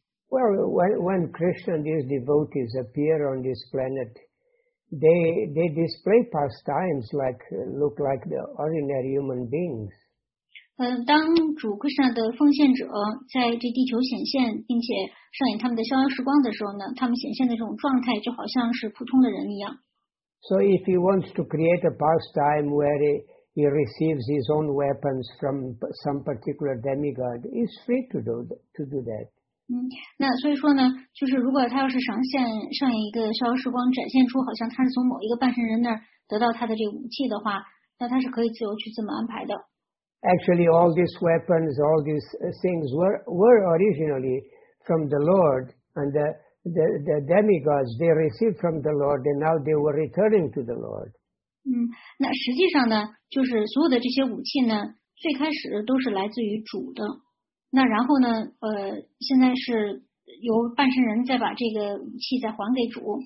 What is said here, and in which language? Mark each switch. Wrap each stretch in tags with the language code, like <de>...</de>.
<en>？Well, when Krishna and his devotees appear on this planet. They display pastimes like look like the ordinary human beings.</en> <zh>当主 Krishna 的奉献者在这地球显现，并且上演他们的逍遥时光的时候呢，他们显现的这种状态就好像是普通的人一样。</zh> <en>So if he wants to create a pastime where he receives his own weapons from some particular demigod, he's free to do that.</en> <zh>那所以说呢，就是如果他要是上线上一个消失光展现出好像他是从某一个半神人那儿得到他的这个武器的话，那他是可以自由去这么安排的。</zh> <en>Actually, all these weapons, all these things were originally from the Lord, and the demigods they received from the Lord, and now they were returning to the Lord.</en> <zh>那实际上呢，就是所有的这些武器呢，最开始都是来自于主的。那然后呢？现在是由半神人再把这个武器再还给主。</zh>